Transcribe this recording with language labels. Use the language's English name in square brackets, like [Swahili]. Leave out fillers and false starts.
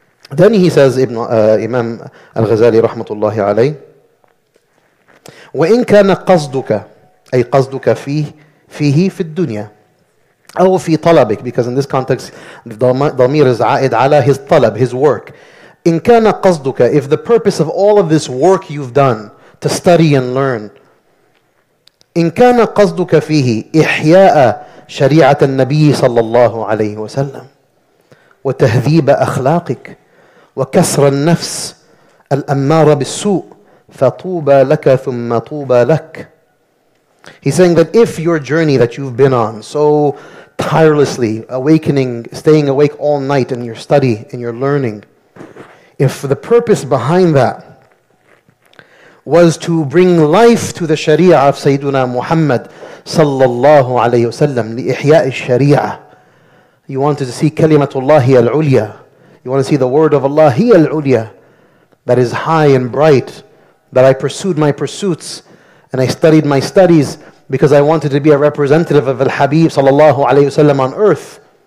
[English] Then he says, Imam Al-Ghazali rahmatullahi alayh, [Arabic] وَإِنْ كَانَ قَصْدُكَ أي قَصْدُكَ فِيهِ فِي الدُّنْيَا أو فِي طَلَبِكَ, [English] because in this context, [Arabic] ضمير is عائد على his طلب, his work. إِنْ كَانَ قَصْدُكَ, [English] if the purpose of all of this work you've done to study and learn, [Arabic] إِنْ كَانَ قَصْدُكَ فِيهِ إِحْيَاءَ شَرِيعَةَ النَّبِيِّ صَلَّى اللَّهُ عَلَيْهِ وَسَلَّمْ وَتَهْذِيبَ أَخْلَاقِكَ وَكَسْرَ النَّفْسِ الْأَمَّارَ بِالسُّوءِ فَطُوبَ لَكَ ثُمَّ طُوبَ لَكَ. [English] He's saying that if your journey that you've been on so tirelessly, awakening, staying awake all night in your study, in your learning, if the purpose behind that was to bring life to the Sharia of Sayyiduna Muhammad sallallahu alayhi wa sallam, [Arabic] لِإِحْيَاءِ الشَّرِيعَةِ, [English] you wanted to see كَلِمَةُ al ulya, you want to see the word of Allah al ulya, that is high and bright, that I pursued my pursuits and I studied my studies because I wanted to be a representative of Al-Habib sallallahu alayhi wa sallam on earth.